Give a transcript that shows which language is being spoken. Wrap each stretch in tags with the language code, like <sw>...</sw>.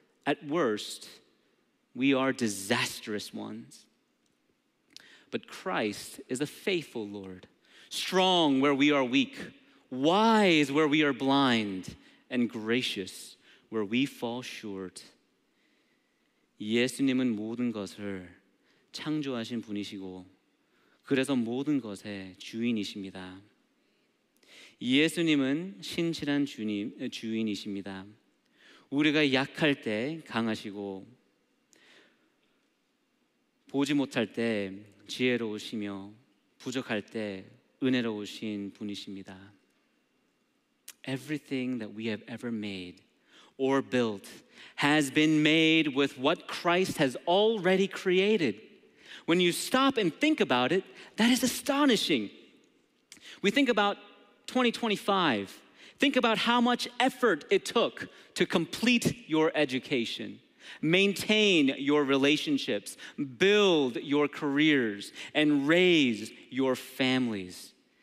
<en>At worst, we are disastrous ones. But Christ is a faithful Lord, strong where we are weak, wise where we are blind, and gracious where we fall short.</en> <ko>예수님은 모든 것을 창조하신 분이시고, 그래서 모든 것의 주인이십니다. 예수님은 신실한 주인이십니다. 우리가 약할 때 강하시고, 보지 못할 때 지혜로우시며, 부족할 때 은혜로우신 분이십니다.</ko> <en>Everything that we have ever made or built has been made with what Christ has already created. When you stop and think about it, that is astonishing. We think about 2025. Think about how much effort it took to complete your education, maintain your relationships, build your careers, and raise your families.</en>